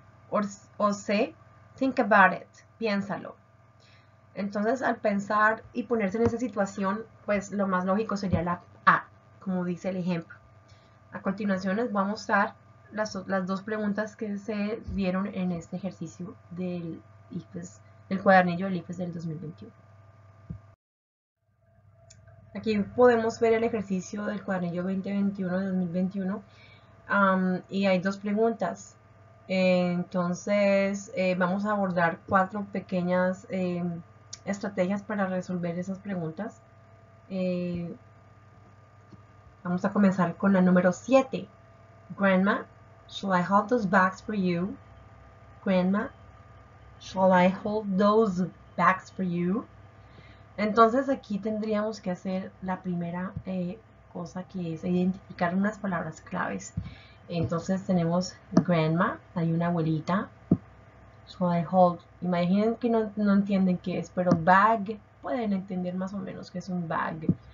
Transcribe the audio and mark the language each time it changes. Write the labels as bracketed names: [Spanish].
[English] O C, think about it, [Spanish] piénsalo. Entonces, al pensar y ponerse en esa situación, pues lo más lógico sería la A, como dice el ejemplo. A continuación les voy a mostrar las dos preguntas que se vieron en este ejercicio del ICFES, del cuadernillo del ICFES del 2021. Aquí podemos ver el ejercicio del cuadernillo 2021 de 2021, y hay dos preguntas. Entonces, vamos a abordar cuatro pequeñas estrategias para resolver esas preguntas. Vamos a comenzar con la número 7. [English] Grandma, shall I hold those bags for you? Grandma, shall I hold those bags for you? [Spanish] Entonces aquí tendríamos que hacer la primera cosa, que es identificar unas palabras claves. Entonces tenemos grandma, hay una abuelita. [English] Shall I hold? [Spanish] Imaginen que no entienden qué es, pero bag, pueden entender más o menos qué es un bag.